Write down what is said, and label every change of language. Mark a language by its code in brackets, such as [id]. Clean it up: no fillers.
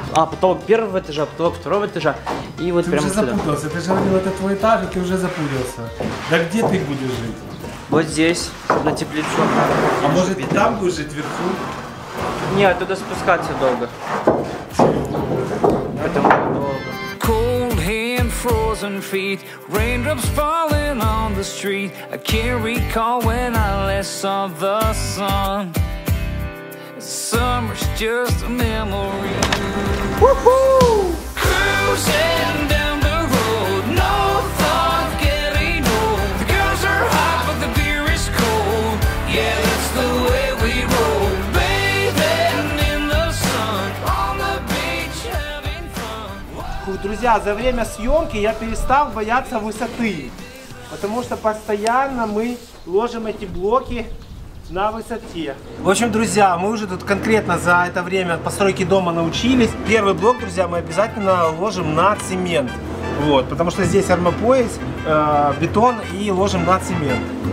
[ru] А, потолок первого этажа, потолок второго этажа, и вот ты прямо уже сюда. Запутался, ты же видел, это твой этаж, и ты уже запутался. Да где ты будешь жить? Вот здесь, на теплицу. А может, бедра. Там будешь жить, вверху? Нет, туда спускаться долго. Поэтому долго. [en] Cold hand, frozen feet, raindrops falling on the street, I can't recall when I last saw the sun. Summer's just a memory. Woohoo! Cruising down the road, no thought getting old. The girls are hot, but the beer is cold. Yeah, that's the way we roll. Bathing in the sun, on the beach having fun. [ru] Друзья, за время съемки я перестал бояться высоты, потому что постоянно мы ложим эти блоки на высоте. В общем, друзья, мы уже тут конкретно за это время постройки дома научились. Первый блок, друзья, мы обязательно ложим на цемент. Вот, потому что здесь армопояс, бетон, и ложим на цемент.